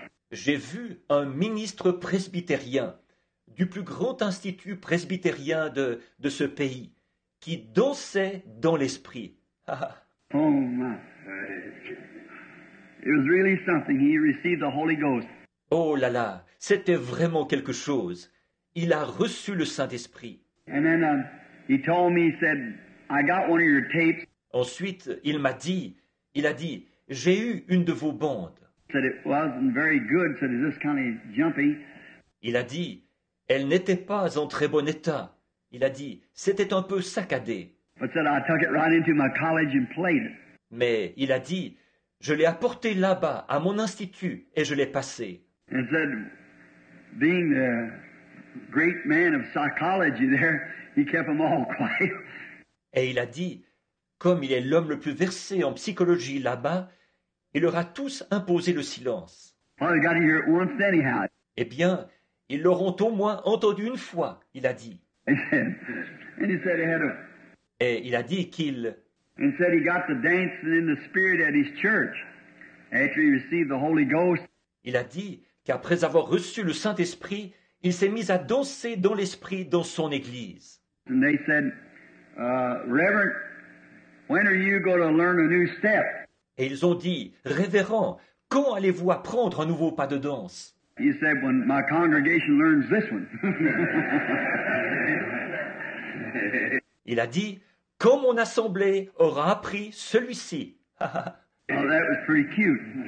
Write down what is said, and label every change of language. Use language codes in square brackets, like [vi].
[fr] J'ai vu un ministre presbytérien du plus grand institut presbytérien de ce pays qui dansait dans l'esprit. [en] Oh my. It was really something. He received the Holy Ghost. [fr] Oh là là, c'était vraiment quelque chose. Il a reçu le Saint-Esprit. [en] And then he told me, he said, I got one of your tapes. [fr] Ensuite, il a dit, j'ai eu une de vos bandes. [en] Said it wasn't very good. Said it was just kind of jumpy. [fr] Il a dit, elle n'était pas en très bon état. Il a dit, c'était un peu saccadé. [en] But said I took it right into my college and played it. [fr] Mais il a dit, je l'ai apporté là-bas, à mon institut, et je l'ai passé. [en] And said, being the great man of psychology there, he kept them all quiet. [fr] Et il a dit, comme il est l'homme le plus versé en psychologie là-bas, il leur a tous imposé le silence. [en] Well, they got to hear it once anyhow. [fr] Eh bien, ils l'auront au moins entendu une fois, il a dit. [en] And he said, he had a... [fr] Et il a dit qu'il... [en] And said he got the dancing in the spirit at his church after he received the Holy Ghost. [fr] Il a dit qu'après avoir reçu le Saint-Esprit, il s'est mis à danser dans l'esprit dans son église. [en] And they said, Reverend, When are you going to learn a new step? [fr] Et ils ont dit, révérend, quand allez-vous apprendre un nouveau pas de danse? [en] He said, when my congregation learns this one. [fr] Il a dit, quand mon assemblée aura appris celui-ci. [en] Well, that was pretty cute.